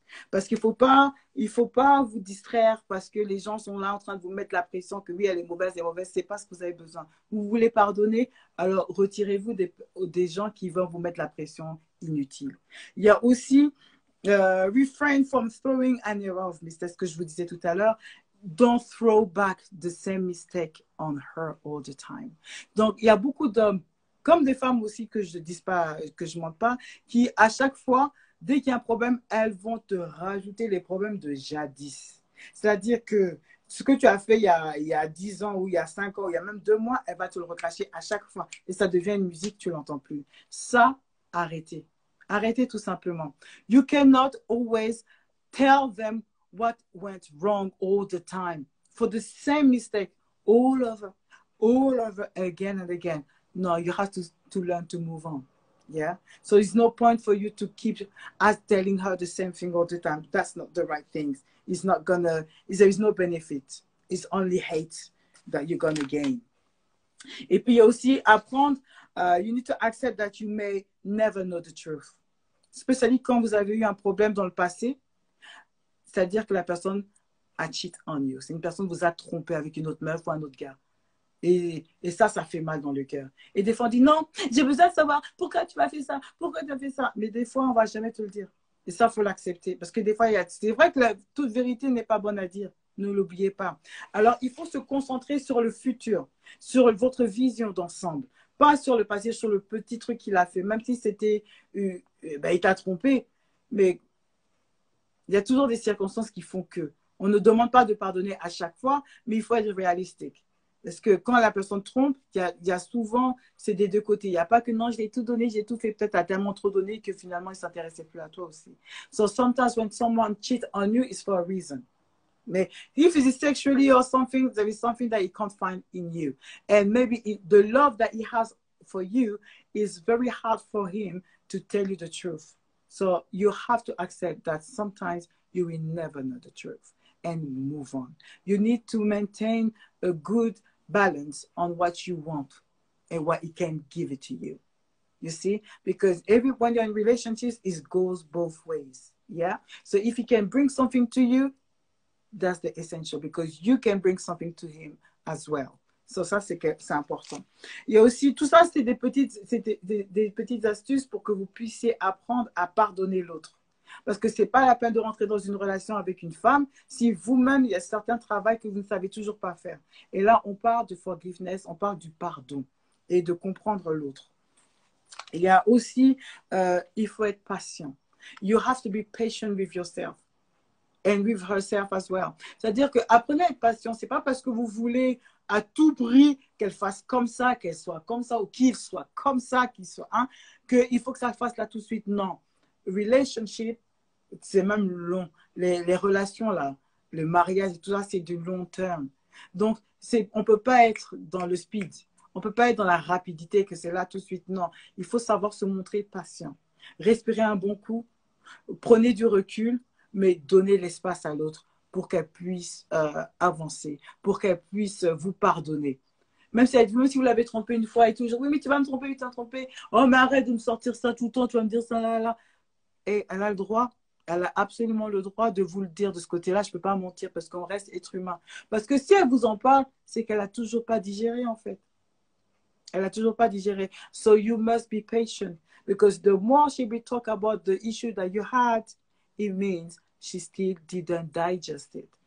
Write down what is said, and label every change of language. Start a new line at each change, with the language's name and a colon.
French: Parce qu'il ne faut pas vous distraire parce que les gens sont là en train de vous mettre la pression que oui, elle est mauvaise, ce n'est pas ce que vous avez besoin. Vous voulez pardonner, alors retirez-vous des gens qui vont vous mettre la pression inutile. Il y a aussi
English: refrain from throwing an error of mistake,
French: ce que je vous disais tout à l'heure.
English: Don't throw back the same mistake on her all the time.
French: Donc, il y a beaucoup d'hommes, comme des femmes aussi que je ne dis pas, que je ne mens pas, qui à chaque fois, dès qu'il y a un problème, elles vont te rajouter les problèmes de jadis. C'est-à-dire que ce que tu as fait il y a 10 ans ou il y a 5 ans ou il y a même 2 mois, elle va te le recracher à chaque fois. Et ça devient une musique, tu ne l'entends plus. Ça, arrêtez. Arrêtez tout simplement.
English: You cannot always tell them what went wrong all the time. For the same mistake, all over again and again. No, you have to learn to move on. Yeah, so it's no point for you to keep as telling her the same thing all the time. That's not the right thing. It's not gonna, there is no benefit. It's only hate that you're gonna gain.
French: Et puis aussi, apprendre,
English: you need to accept that you may never know the truth.
French: Especially quand vous avez eu un problème dans le passé, c'est-à-dire que la personne a
English: cheat on you.
French: C'est une personne vous a trompé avec une autre meuf ou un autre gars. Et ça, ça fait mal dans le cœur. Et des fois, on dit non, j'ai besoin de savoir pourquoi tu m'as fait ça, pourquoi tu as fait ça. Mais des fois, on ne va jamais te le dire. Et ça, il faut l'accepter. Parce que des fois, c'est vrai que toute vérité n'est pas bonne à dire. Ne l'oubliez pas. Alors, il faut se concentrer sur le futur, sur votre vision d'ensemble. Pas sur le passé, sur le petit truc qu'il a fait. Même si c'était, il t'a trompé. Mais il y a toujours des circonstances qui font que. On ne demande pas de pardonner à chaque fois, mais il faut être réaliste. Parce que quand la personne trompe, il y a souvent, c'est des deux côtés. Il n'y a pas que non, je l'ai tout donné, j'ai tout fait. Peut-être à tellement trop donné que finalement, il ne s'intéressait plus à toi aussi.
English: So sometimes when someone cheats on you, it's for a reason. Mais if it's sexually or something, there is something that he can't find in you. And maybe the love that he has for you is very hard for him to tell you the truth. So you have to accept that sometimes you will never know the truth. And move on. You need to maintain a good balance on what you want and what he can give it to you. You see? Because everyone in relationships, it goes both ways. Yeah? So if he can bring something to you, that's the essential because you can bring something to him as well.
French: So ça, c'est important. Il y a aussi, tout ça, c'est des petites astuces pour que vous puissiez apprendre à pardonner l'autre. Parce que ce n'est pas la peine de rentrer dans une relation avec une femme si vous-même, il y a certains travaux que vous ne savez toujours pas faire. Et là, on parle de forgiveness, on parle du pardon et de comprendre l'autre. Il y a aussi, il faut être patient.
English: You have to be patient with yourself and with herself as well.
French: C'est-à-dire qu'apprenez à être patient. Ce n'est pas parce que vous voulez à tout prix qu'elle fasse comme ça, qu'elle soit comme ça ou qu'il soit comme ça, qu'il soit, hein, qu'il faut que ça fasse là tout de suite. Non. Relationship, c'est même long. Les relations, là, le mariage et tout ça, c'est du long terme. Donc, on ne peut pas être dans le speed. On ne peut pas être dans la rapidité que c'est là tout de suite. Non, il faut savoir se montrer patient. Respirez un bon coup. Prenez du recul, mais donnez l'espace à l'autre pour qu'elle puisse avancer, pour qu'elle puisse vous pardonner. Même si vous l'avez trompé une fois et toujours, oui, mais tu vas me tromper, tu t'as trompé. Oh, mais arrête de me sortir ça tout le temps, tu vas me dire ça là, là. Et elle a le droit, elle a absolument le droit de vous le dire de ce côté-là. Je ne peux pas mentir parce qu'on reste être humain. Parce que si elle vous en parle, c'est qu'elle n'a toujours pas digéré, en fait. Elle n'a toujours pas digéré.
English: So you must be patient. Because the more she be talk about the issue that you had, it means she still didn't digest it.